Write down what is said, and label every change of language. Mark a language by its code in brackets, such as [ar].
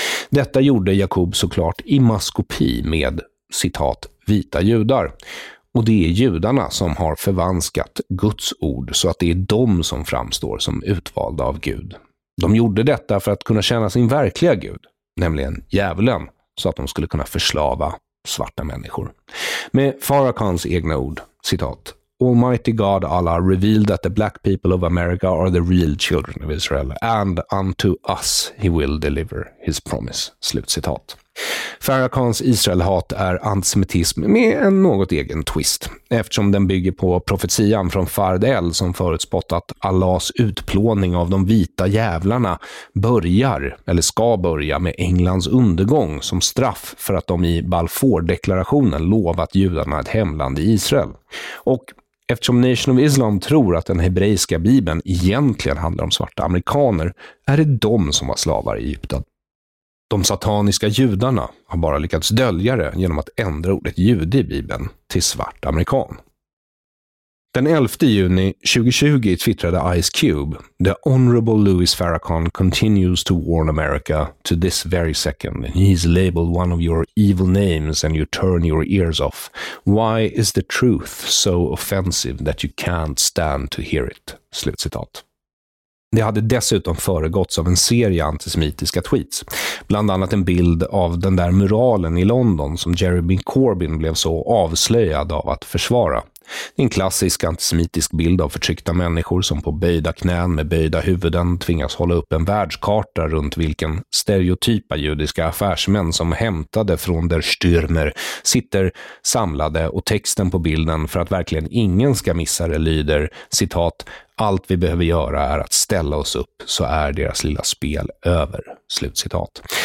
[sv] Detta gjorde Jakob såklart i maskopi med, citat, vita judar. Och det är judarna som har förvanskat Guds ord så att det är de som framstår som utvalda av Gud. De gjorde detta för att kunna känna sin verkliga gud, nämligen djävulen, så att de skulle kunna förslava svarta människor. Med Farrakhans egna ord, citat, [en] Almighty God Allah revealed that the black people of America are the real children of Israel, and unto us he will deliver his promise, [sv] slutcitat. Farrakhans Israelhat är antisemitism med en något egen twist, eftersom den bygger på profetian från Farid El som förutspått att Allahs utplåning av de vita djävlarna börjar, eller ska börja, med Englands undergång som straff för att de i Balfour-deklarationen lovat judarna ett hemland i Israel. Och eftersom Nation of Islam tror att den hebreiska bibeln egentligen handlar om svarta amerikaner, är det de som var slavar i Egypten. De sataniska judarna har bara lyckats dölja det genom att ändra ordet jude i Bibeln till svart amerikan. Den 11 juni 2020 twittrade [en] Ice Cube, "The Honorable Louis Farrakhan continues to warn America to this very second. He's labeled one of your evil names and you turn your ears off. Why is the truth so offensive that you can't stand to hear it?" [sv] Slutcitat. Det hade dessutom föregåtts av en serie antisemitiska tweets. Bland annat en bild av den där muralen i London som Jeremy Corbyn blev så avslöjad av att försvara. Det är en klassisk antisemitisk bild av förtryckta människor som på böjda knän med böjda huvuden tvingas hålla upp en världskarta runt vilken stereotypa judiska affärsmän som hämtade från der Stürmer sitter samlade, och texten på bilden för att verkligen ingen ska missa det lyder, citat, "Allt vi behöver göra är att ställa oss upp så är deras lilla spel över", slutcitat.